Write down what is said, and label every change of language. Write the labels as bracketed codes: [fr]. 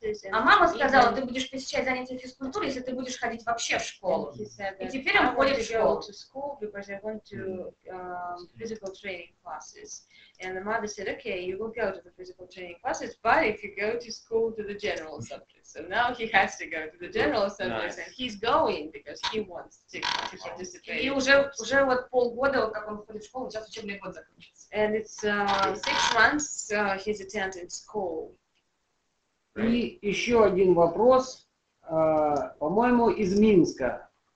[ru] А мама сказала: «Ты будешь посещать занятия физкультурой, если ты будешь ходить вообще в школу». И теперь он ходит в школу. [en] To school because I want to physical training classes. And the mother said, okay, you will go to the physical training classes, but if you go to school, to the general subjects. So now he has to go to the general subjects, nice. And he's going because he wants to participate. [ru] И уже вот полгода, как он ходит в школу, сейчас учебный год закончится. [en] And it's 6 months he's attending school. [ru] И еще один вопрос, по-моему, из Минска.